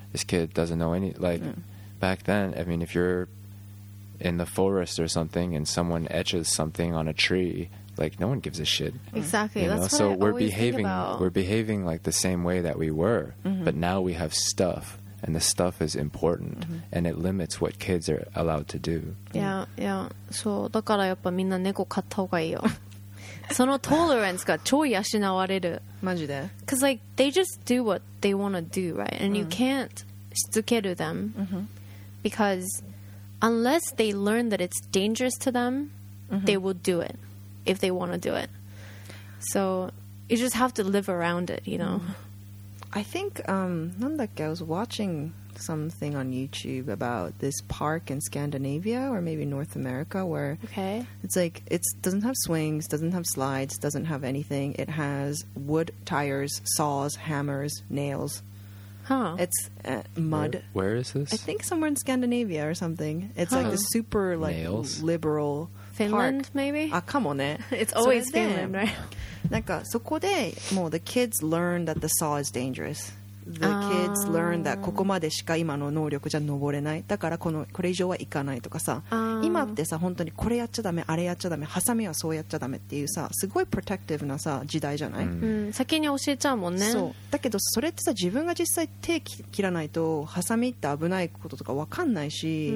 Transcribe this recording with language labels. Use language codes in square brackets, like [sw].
[en] This kid doesn't know any, like back then, I mean, if you're in the forest or something and someone etches something on a tree, like no one gives a shit. Exactly. You know? That's so what we're behaving like the same way that we were, mm-hmm. but now we have stuff and the stuff is important mm-hmm. and it limits what kids are allowed to do. Yeah, yeah. [ja] So, だからやっぱみんな猫飼った方がいいよ。そのトーレランスが超養われる。マジで? [en] Cuz like they just do what they want to do, right? And you can't しつけるthem mm-hmm. because unless they learn that it's dangerous to them, mm-hmm. they will do it. If they want to do it. So you just have to live around it, you know? I think, I was watching something on YouTube about this park in Scandinavia or maybe North America where okay. it's like, it doesn't have swings, doesn't have slides, doesn't have anything. It has wood tires, saws, hammers, nails. Huh. It's mud. Where is this? I think somewhere in Scandinavia or something. It's like a super like nails? Liberal Finland, park. Maybe? Ah, come on, eh? It's always Finland, right? [ja] なんかそこでもう [en] the kids learn that the saw is dangerous. The kids learn that [ja] ここまでしか今の能力じゃ登れない。だからこれ以上は行かないとかさ。今ってさ、本当にこれやっちゃダメ、あれやっちゃダメ、ハサミはそうやっちゃダメっていうさ、すごいプロテクティブなさ、時代じゃない、うん、先に教えちゃうもんね。そう。だけどそれってさ、自分が実際手切らないと、ハサミって危ないこととか分かんないし、